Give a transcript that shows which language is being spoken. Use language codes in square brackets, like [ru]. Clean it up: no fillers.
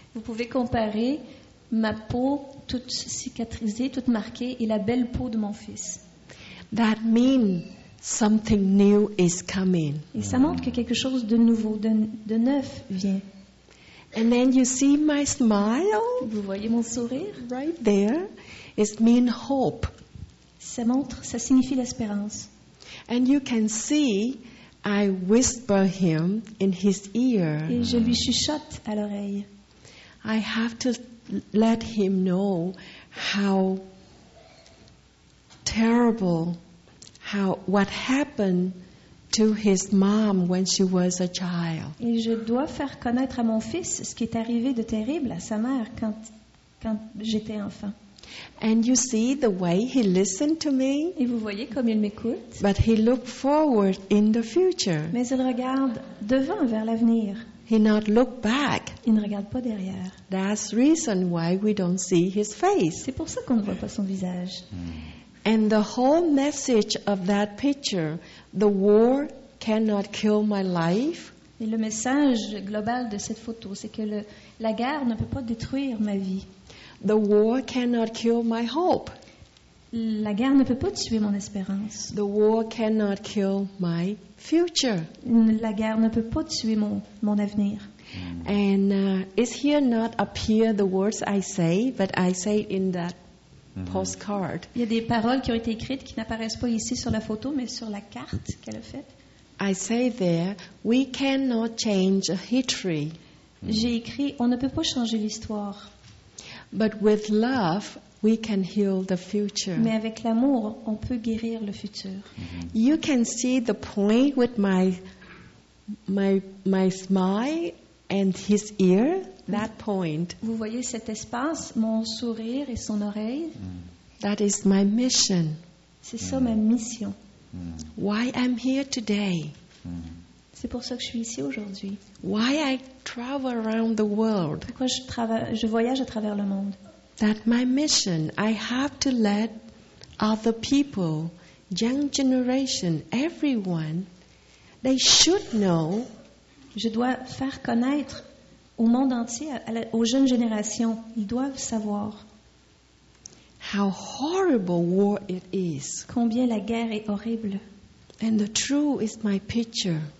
[fr] Vous pouvez comparer ma peau toute cicatrisée, toute marquée, et la belle peau de mon fils. [en] That means something new is coming. [fr] Et ça montre que quelque chose de nouveau, de neuf vient. [en] And then you see my smile. [fr] Vous voyez mon sourire? [en] Right there, it means hope. [fr] Ça montre, ça signifie l'espérance. [en] And you can see, I whisper him in his ear. [fr] Et je lui chuchote à l'oreille. [en] I have to let him know how terrible, what happened. To his mom when she was a child. [fr] Et je dois faire connaître à mon fils ce qui est arrivé de terrible à sa mère quand j'étais enfant. [en] And you see the way he listened to me. [fr] Et vous voyez comme il m'écoute. [en] But he looked forward in the future. [fr] Mais il regarde devant vers l'avenir. [en] He not look back. [fr] Il ne regarde pas derrière. [en] That's reason why we don't see his face. [fr] C'est pour ça qu'on ne voit pas son visage. [en] And the whole message of that picture, the war cannot kill my life. [fr] Et le message global de cette photo, c'est que la guerre ne peut pas détruire ma vie. [en] The war cannot kill my hope. [fr] La guerre ne peut pas tuer mon espérance. [en] The war cannot kill my future. [fr] La guerre ne peut pas tuer mon avenir. [en] And is here not appear the words I say, but I say in that postcard. [fr] Il y a des paroles qui ont été écrites qui n'apparaissent pas ici sur la photo, mais sur la carte qu'elle a faite. [en] I say there, we cannot change history. [fr] J'ai écrit, on ne peut pas changer l'histoire. [en] But with love, we can heal the future. [fr] Mais avec l'amour, on peut guérir le futur. [en] You can see the point with my smile and his ear. That point. [fr] Vous voyez cet espace, mon sourire et son oreille. [en] That is my mission. [fr] C'est ça ma mission. [en] Why I'm here today. [fr] C'est pour ça que je suis ici aujourd'hui. [en] Why I travel around the world. [fr] Pourquoi je voyage à travers le monde. [en] That my mission. I have to let other people, young generation, everyone, they should know. [fr] Je dois faire connaître au monde entier, aux jeunes générations, ils doivent savoir [en] how horrible war it is. [fr] Combien la guerre est horrible. [en] And the true is my picture.